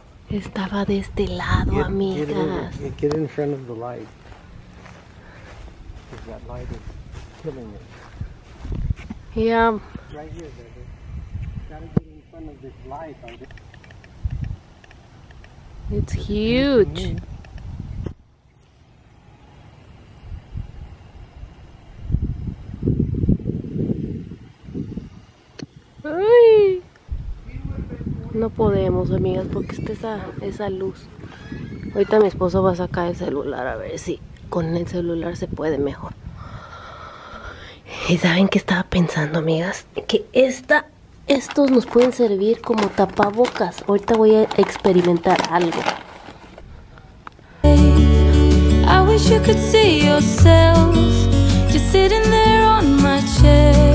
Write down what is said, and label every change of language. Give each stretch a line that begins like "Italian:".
Spanish: Estaba de este lado, amigas.
English: Get in front of the light. Because that light is killing it. Yeah. Right here, baby. Gotta get in front of this light. It's huge.
Spanish: No podemos, amigas, porque está esa luz. Ahorita mi esposo va a sacar el celular a ver si con el celular se puede mejor. ¿Y saben qué estaba pensando, amigas? Que estos nos pueden servir como tapabocas. Ahorita voy a experimentar algo.
English: I wish you could see yourself just sitting there on my chair.